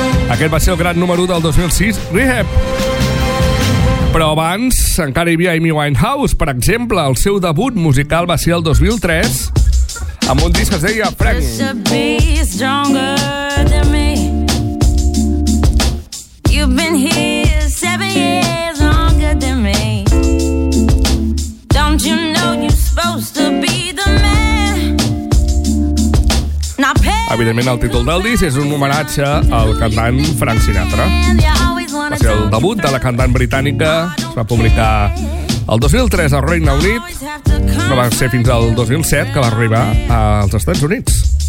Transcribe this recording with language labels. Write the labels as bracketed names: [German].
[Catalan] Aquest va ser el gran número del 2006, Rehab. Però abans encara hi havia Amy Winehouse. Per exemple, el seu debut musical va ser el 2003 amb un disc que es deia Frank. [English] You've been here 7 years longer than me. Don't you know you're supposed to be the man? Now pay. [Catalan] Evidentment, el títol del disc és un homenatge al cantant Frank Sinatra. Va ser el debut de la cantant britànica. Es va publicar el 2003 al Regne Unit. No va ser fins al 2007 que va arribar als Estats Units.